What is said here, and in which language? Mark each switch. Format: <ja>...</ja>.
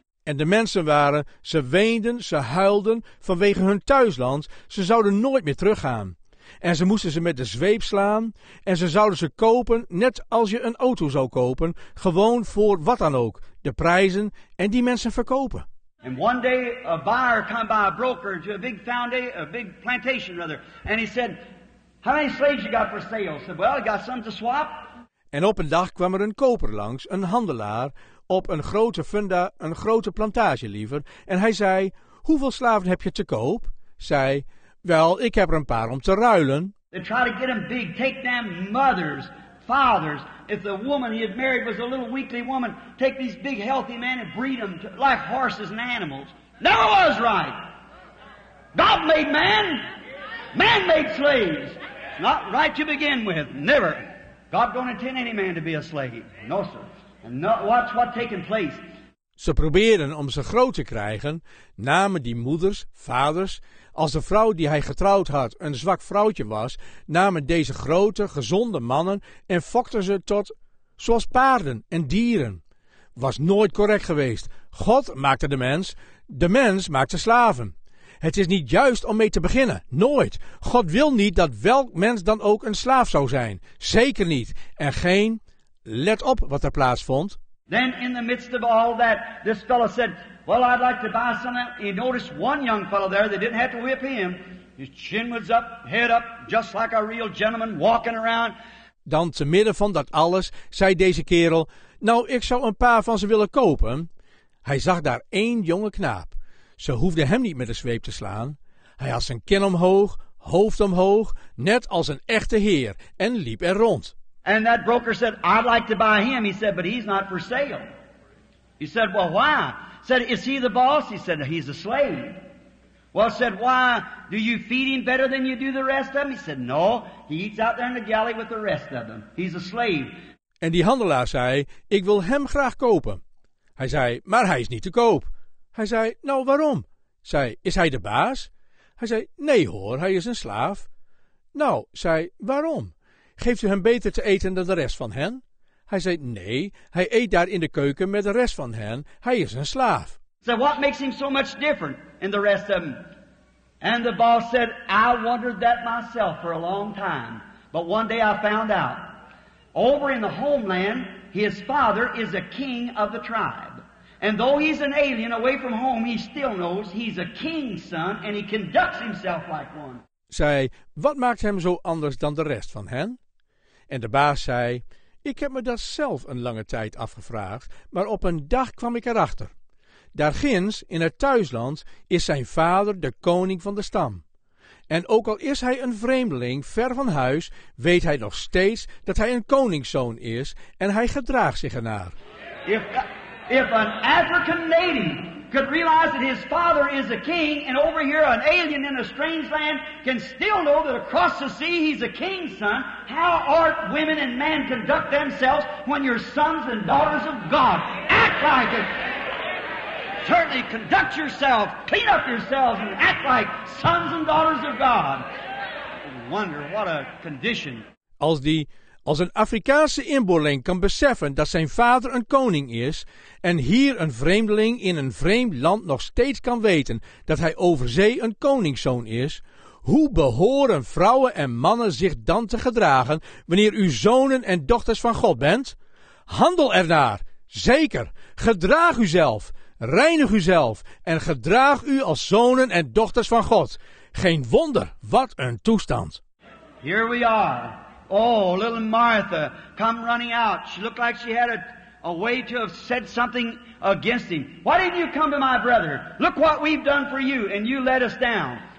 <nl>En de mensen waren, ze weenden, ze huilden vanwege hun thuisland. Ze zouden nooit meer teruggaan. En ze moesten ze met de zweep slaan. En ze zouden ze kopen, net als je een auto zou kopen, gewoon voor wat dan ook, de prijzen en die mensen verkopen.</nl> <en>And one day a buyer came by a broker to a big foundation, a big plantation rather, and he said, "How many slaves you got for sale?" I said, "Well, I got some to swap."</en> <nl>En op een dag kwam er een koper langs, een handelaar. Op een grote funda, een grote plantage liever. En hij zei, hoeveel slaven heb je te koop? Zei, wel, ik heb er een paar om te ruilen.</nl> <en>They try to get them big, take them mothers, fathers. If the woman he had married was a little weakly woman, take these big healthy men and breed them to, like horses and animals. Never was right. God made man. Man made slaves. Not right to begin with, never. God don't intend any man to be a slave. No, sir. And not watch what taking place.</en> <nl>Ze probeerden om ze groot te krijgen, namen die moeders, vaders. Als de vrouw die hij getrouwd had een zwak vrouwtje was, namen deze grote, gezonde mannen en fokten ze tot, zoals paarden en dieren. Was nooit correct geweest. God maakte de mens maakte slaven. Het is niet juist om mee te beginnen, nooit. God wil niet dat welk mens dan ook een slaaf zou zijn, zeker niet, en geen... Let op wat er plaatsvond.</nl> <en>Then in the midst of all that, this fellow said, "Well, I'd like to buy some." He noticed one young fellow there. They didn't have to whip him. His chin was up, head up, just like a real gentleman walking around.</en> <nl>Dan te midden van dat alles, zei deze kerel, "Nou, ik zou een paar van ze willen kopen." Hij zag daar één jonge knaap. Ze hoefde hem niet met de zweep te slaan. Hij had zijn kin omhoog, hoofd omhoog, net als een echte heer, en liep er rond.</nl> <en>And that broker said, "I'd like to buy him." He said, "But he's not for sale." He said, "Well, why?" Said, "Is he the boss?" He said, "He's a slave." Well, said, "Why? Do you feed him better than you do the rest of them?" He said, "No, he eats out there in the galley with the rest of them. He's a slave."</en> <nl>En die handelaar zei, "Ik wil hem graag kopen." Hij zei, "Maar hij is niet te koop." Hij zei, "Nou, waarom?" Zei, "Is hij de baas?" Hij zei, "Nee hoor, hij is een slaaf." "Nou," zei, "waarom? Geeft u hem beter te eten dan de rest van hen?" Hij zei, "Nee, hij eet daar in de keuken met de rest van hen. Hij is een slaaf."</nl> <en>So what makes him so much different in the rest of them? And the boss said, "I wondered that myself for a long time. But one day I found out. Over in the homeland, his father is a king of the tribe. And though he's an alien away from home, he still knows he's a king's son and he conducts himself like one."</en> <nl>Zei, "Wat maakt hem zo anders dan de rest van hen?" En de baas zei, "Ik heb me dat zelf een lange tijd afgevraagd, maar op een dag kwam ik erachter. Daar ginds, in het thuisland, is zijn vader de koning van de stam. En ook al is hij een vreemdeling, ver van huis, weet hij nog steeds dat hij een koningszoon is en hij gedraagt zich ernaar."</nl> <en>If an African native could realize that his father is a king, and over here an alien in a strange land can still know that across the sea he's a king's son, how ought women and men conduct themselves when you're sons and daughters of God? Act like it. Certainly conduct yourself, clean up yourselves, and act like sons and daughters of God. I wonder what a condition.</en> <nl>Als die Als een Afrikaanse inboorling kan beseffen dat zijn vader een koning is en hier een vreemdeling in een vreemd land nog steeds kan weten dat hij over zee een koningszoon is, hoe behoren vrouwen en mannen zich dan te gedragen wanneer u zonen en dochters van God bent? Handel ernaar, zeker, gedraag uzelf, reinig uzelf en gedraag u als zonen en dochters van God. Geen wonder, wat een toestand.</nl> <en>Here we are. Oh, little Martha, come running out. She looked like she had a way to have said something against him. Why didn't you come to my brother? Look what we've done for you, and you let us down.</en>